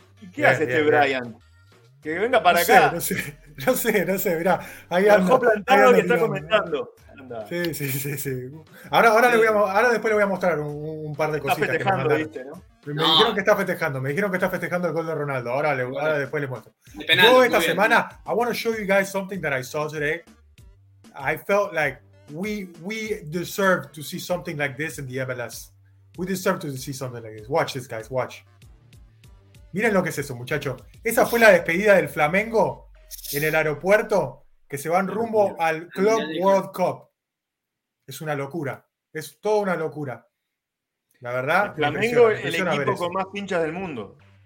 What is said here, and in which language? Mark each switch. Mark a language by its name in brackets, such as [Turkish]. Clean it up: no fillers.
[Spanish] ¿Y qué hace este Brian? Que venga para acá. No sé, mirá. Ahí anda. Mejor plantado que está comentando. Sí. Ahora después le voy a mostrar un par de cositas. Está festejando, viste, ¿no? Me dijeron que está festejando el gol de Ronaldo. Ahora después le muestro. [English] I want to show you guys something that I saw today. I felt like we deserve to see something like this in the MLS. We deserve to see something like this. Watch this, guys. Watch. [Spanish] Miren lo que es eso, muchachos. Esa fue la despedida del Flamengo en el aeropuerto, que se van rumbo al Club World Cup. Es una locura. Es toda una locura. La verdad, el Flamengo es el equipo con más hinchas del mundo.